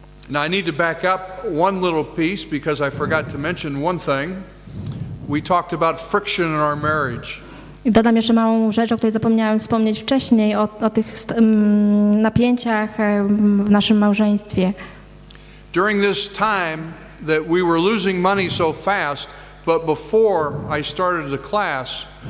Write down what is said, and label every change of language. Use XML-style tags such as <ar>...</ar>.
<en>Now I need to back up one little piece because I forgot to mention one thing. We talked about friction in our marriage.</en> <pl>I dodam jeszcze małą rzecz, o której zapomniałem wspomnieć wcześniej, o tych napięciach w naszym małżeństwie.</pl> <en>During this time that we were losing money so fast, but before I started the class.</en>